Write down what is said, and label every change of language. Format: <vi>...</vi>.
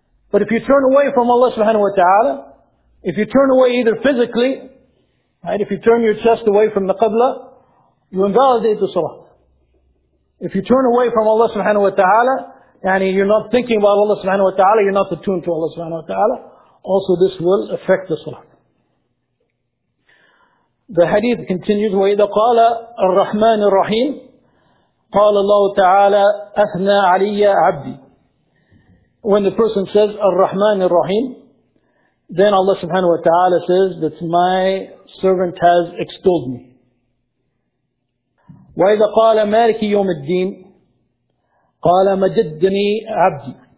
<en>But if you turn away from Allah subhanahu wa ta'ala, if you turn away either physically, right, if you turn your chest away from the qibla, you invalidate the salat. If you turn away from Allah subhanahu wa ta'ala, and you're not thinking about Allah subhanahu wa ta'ala, you're not attuned to Allah subhanahu wa ta'ala, also this will affect the salat. The hadith continues,</en> <ar>وَإِذَا قَالَ الرَّحْمَنِ الرَّحِيمِ قَالَ اللَّهُ تَعَالَى أَثْنَى عَلِيَّ عَبْدِي.</ar> <en>when the person says Ar-Rahman Ar-Rahim, then Allah subhanahu wa ta'ala says that my servant has extolled me.</en> <ar>وَإِذَا قَالَ مَالِكِ يَوْمِ الدِّينِ قَالَ مَجَدَّنِي عَبْدِي.</ar>